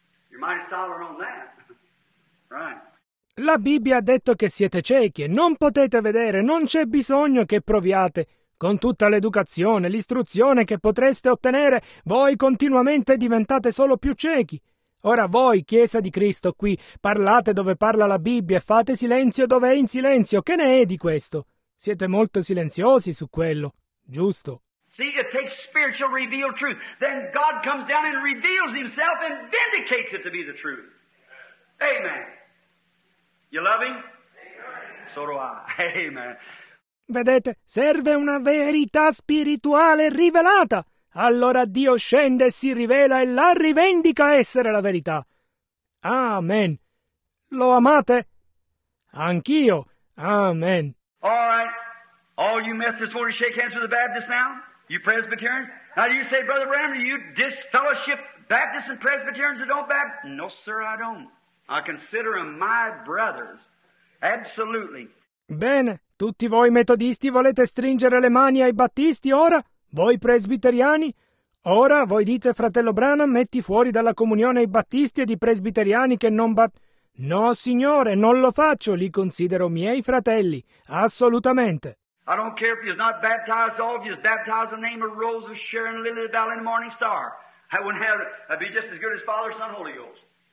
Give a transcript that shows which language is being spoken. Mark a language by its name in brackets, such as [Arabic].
[English] You're mighty silent on that. [Italian] La Bibbia ha detto che siete ciechi e non potete vedere, non c'è bisogno che proviate. Con tutta l'educazione, l'istruzione che potreste ottenere, voi continuamente diventate solo più ciechi. Ora voi, Chiesa di Cristo, qui, parlate dove parla la Bibbia e fate silenzio dove è in silenzio. Che ne è di questo? Siete molto silenziosi su quello, giusto? [English] See, it takes spiritual revealed truth. Then God comes down and reveals himself and vindicates it to be the truth. Amen. You love him? Amen. So do I. Amen. [Italian] Vedete, serve una verità spirituale rivelata. Allora Dio scende e si rivela e la rivendica essere la verità. Amen. Lo amate? Anch'io. Amen. [English] All right. All you Methodists want to shake hands with the Baptists now? You Presbyterians? Now do you say, Brother Branham, do you disfellowship Baptists and Presbyterians that don't baptize? No, sir, I don't. I consider them my brothers. Absolutely. [Italian] Bene, tutti voi metodisti volete stringere le mani ai battisti ora? Voi presbiteriani? Ora voi dite, fratello Branham, metti fuori dalla comunione i battisti e i presbiteriani che non bat... No, signore, non lo faccio, li considero miei fratelli. Assolutamente. [English] I don't care if you're not baptized, all of you baptized in the name of Rose of Sharon, Lily of the Valley, and Morning Star. I wouldn't have... I'd be just as good as Father, Son, Holy Ghost.